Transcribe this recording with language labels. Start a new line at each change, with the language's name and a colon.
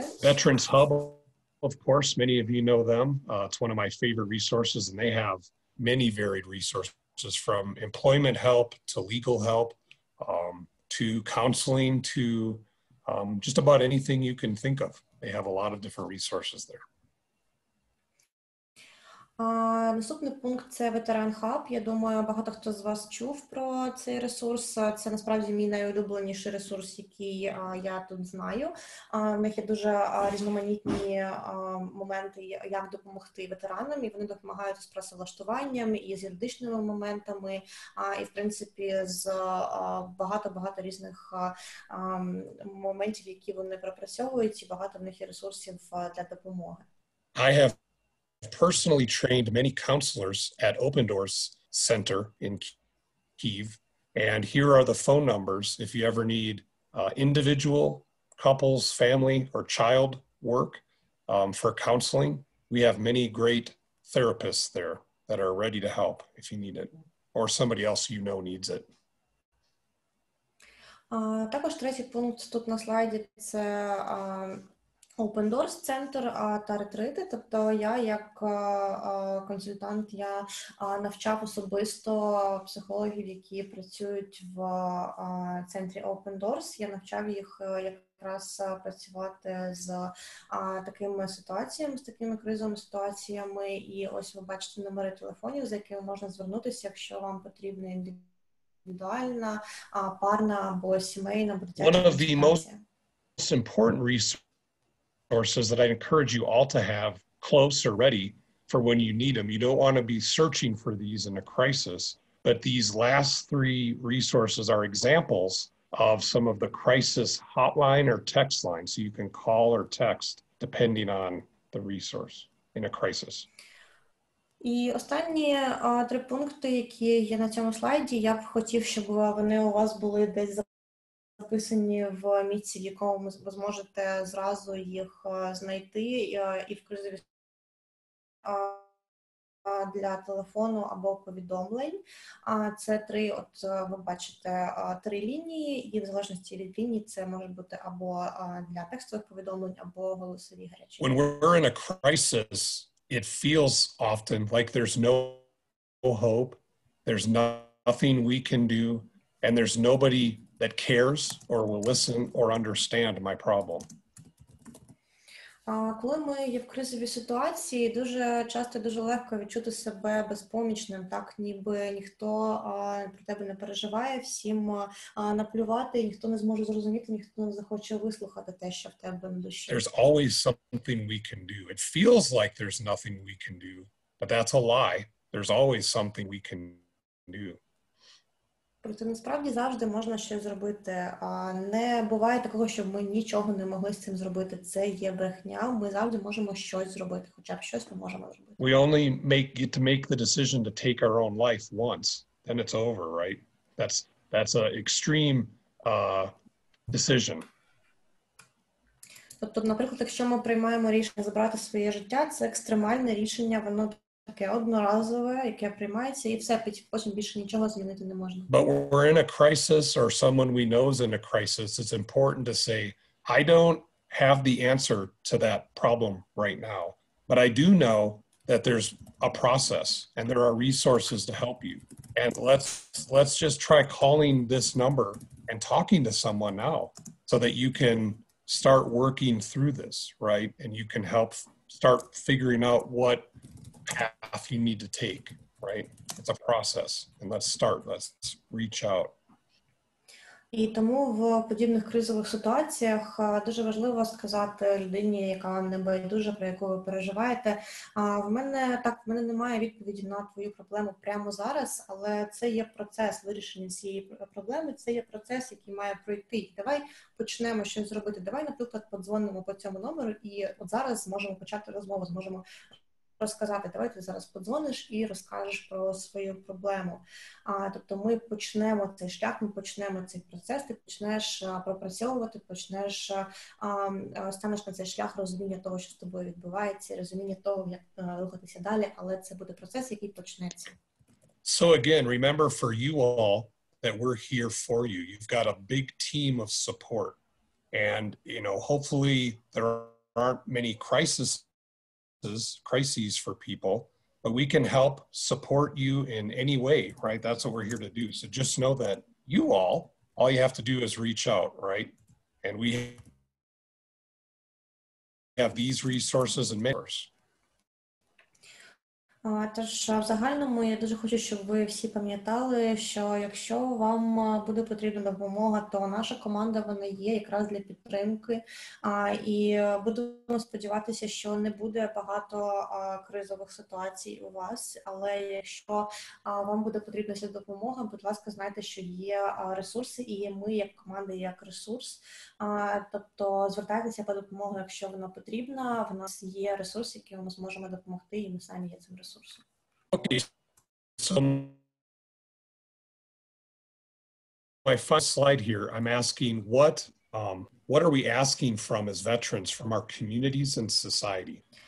English: Veterans Hub, of course, many of you know them. It's one of my favorite resources, and they have many varied resources from employment help to legal help to counseling to just about anything you can think of. They have a lot of different resources there.
Ukrainian: Наступний пункт – це Veteran Hub. Я думаю, багато хто з вас чув про цей ресурс. Це, насправді, мій найулюбленіший ресурс, який я тут знаю. В них є дуже різноманітні моменти, як допомогти ветеранам, і вони допомагають з працевлаштуванням, і з юридичними моментами, і, в принципі, з багато-багато різних моментів, які вони пропрацьовують, і багато в них є ресурсів для допомоги.
English: I've personally trained many counselors at Open Doors Center in Kyiv, and here are the phone numbers if you ever need individual, couples, family, or child work for counseling. We have many great therapists there that are ready to help if you need it, or somebody else you know needs it.
Ukrainian: Також третій пункт тут на слайді – це Open Doors Center та ретрити, тобто я як консультант, я навчав особисто психологів, які працюють в центрі Open Doors. Я навчав їх якраз працювати з такими ситуаціями, з такими кризовими ситуаціями. І ось ви бачите номери телефонів, за якими можна звернутися, якщо вам потрібна індивідуальна, парна або сімейна, або дитяча консультація.
English: Sources that I'd encourage you all to have close or ready for when you need them. You don't want to be searching for these in a crisis, but these last three resources are examples of some of the crisis hotline or text line. So you can call or text depending on the resource in a crisis.
Ukrainian: І останні три пункти, які є на цьому слайді, я б хотів, щоб вони у вас були десь записані в місці, в якому ви зможете зразу їх знайти і в кризові для телефону або повідомлень. Це три, от ви бачите, три лінії, і в залежності від лінії це може бути або для текстових повідомлень, або голосові гарячі.
English: When we're in a crisis, it feels often like there's no hope, there's nothing we can do, and there's nobody that cares or will listen or understand my problem.
Ukrainian: Коли ми є в кризовій ситуації, дуже часто дуже легко відчути себе безпомічним, так ніби ніхто про тебе не переживає, всім наплювати, ніхто не зможе зрозуміти, ніхто не захоче вислухати те, що в тебе на душі.
English: There's always something we can do. It feels like there's nothing we can do, but that's a lie. There's always something we can do.
Ukrainian: Проте насправді завжди можна щось зробити. Не буває такого, щоб ми нічого не могли з цим зробити. Це є брехня. Ми завжди можемо щось зробити, хоча б щось ми можемо зробити.
English: We only get to make the decision to take our own life once, then it's over, right? That's an extreme decision.
Ukrainian: Тобто, наприклад, якщо ми приймаємо рішення забрати своє життя, це екстремальне рішення, воно таке одноразове, яке приймається, і все, потім більше нічого змінити не можна.
English: But we're in a crisis, or someone we know is in a crisis, it's important to say, I don't have the answer to that problem right now, but I do know that there's a process, and there are resources to help you. And let's just try calling this number and talking to someone now, so that you can start working through this, right? And you can help start figuring out what path you need to take, right? It's a process, and let's start, let's reach out.
Ukrainian: І тому в подібних кризових ситуаціях дуже важливо сказати людині, яка не байдуже, про яку ви переживаєте. В мене немає відповіді на твою проблему прямо зараз, але це є процес вирішення цієї проблеми, це є процес, який має пройти. Давай почнемо щось зробити. Давай, наприклад, подзвонимо по цьому номеру, і от зараз зможемо почати розмову, зможемо розказати. Давай ти зараз подзвониш і розкажеш про свою проблему. Тобто ми почнемо цей шлях, ми почнемо цей процес, ти почнеш пропрацьовувати, почнеш станеш на цей шлях розуміння того, що з тобою відбувається, розуміння того, як рухатися далі, але це буде процес, який почнеться.
English: So again, remember for you all that we're here for you. You've got a big team of support. And, you know, hopefully there aren't many crises for people, but we can help support you in any way, right? That's what we're here to do. So just know that you all you have to do is reach out, right? And we have these resources and mentors.
Ukrainian: Тож в загальному я дуже хочу, щоб ви всі пам'ятали, що якщо вам буде потрібна допомога, то наша команда, вона є якраз для підтримки. І будемо сподіватися, що не буде багато кризових ситуацій у вас. Але якщо вам буде потрібна ця допомога, будь ласка, знайте, що є ресурси і є ми як команда, як ресурс. Тобто звертайтеся по допомогу, якщо вона потрібна. В нас є ресурс, який ми зможемо допомогти, і ми самі є цим ресурсом.
English: Okay, so my first slide here, I'm asking what are we asking from as veterans, from our communities and society?